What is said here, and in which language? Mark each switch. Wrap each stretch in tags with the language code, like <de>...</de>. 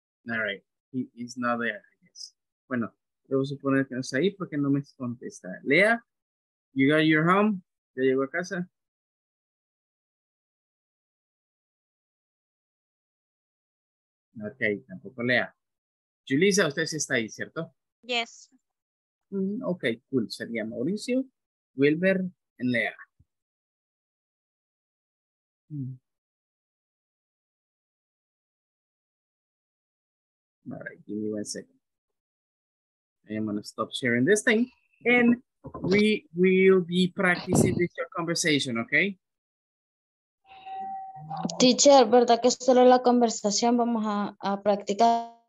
<en>All right, he is not there, I guess.</en> <es>Bueno, debo suponer que no está ahí porque no me contesta.</es> <en>Lea, you got your home?</en> <es>¿Ya llegó a casa? Okay, tampoco Lea. Julissa, usted sí está ahí, ¿cierto?</es> <en>Yes. Okay, cool. Sería Mauricio, Wilber, and Lea. All right, give me 1 second. I am gonna stop sharing this thing and we will be practicing this conversation, okay?</en> <es>Teacher, ¿verdad que solo la conversación vamos a practicar?</es>